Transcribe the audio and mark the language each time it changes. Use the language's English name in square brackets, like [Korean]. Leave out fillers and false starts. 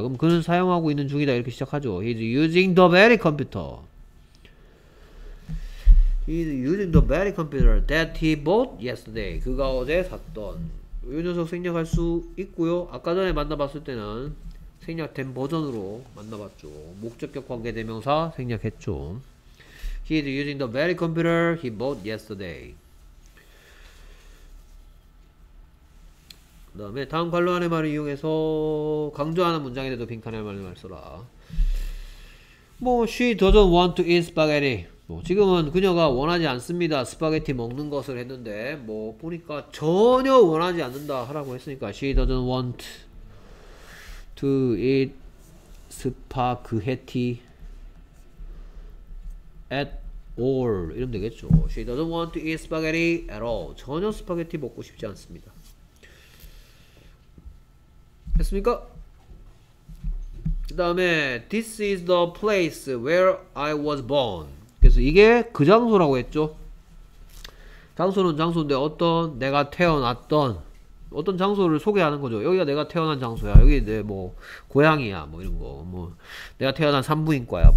[Korean] 그럼 그는 사용하고 있는 중이다 이렇게 시작하죠. [English] He's using the very computer. He's using the very computer that he bought yesterday. [Korean] 그가 어제 샀던. 이 녀석 생략할 수 있고요. 아까 전에 만나봤을 때는 생략된 버전으로 만나봤죠. 목적격 관계대명사 생략했죠. [English] He is using the very computer he bought yesterday. [Korean] 그 다음에 다음 관로하는 말을 이용해서 강조하는 문장에도 빈칸의 말을 써라. [English] 뭐 she doesn't want to eat spaghetti. [Korean] 지금은 그녀가 원하지 않습니다. 스파게티 먹는 것을 했는데 뭐 보니까 전혀 원하지 않는다 하라고 했으니까 [English] She doesn't want to eat 스파게티 at all [Korean] 이러면 되겠죠. [English] She doesn't want to eat spaghetti at all. [Korean] 전혀 스파게티 먹고 싶지 않습니다. 됐습니까? 그 다음에 [English] This is the place where I was born. [Korean] 그래서 이게 그 장소라고 했죠. 장소는 장소인데 어떤 내가 태어났던 어떤 장소를 소개하는 거죠. 여기가 내가 태어난 장소야. 여기 내 뭐 고향이야. 뭐 이런 거. 뭐 내가 태어난 산부인과야.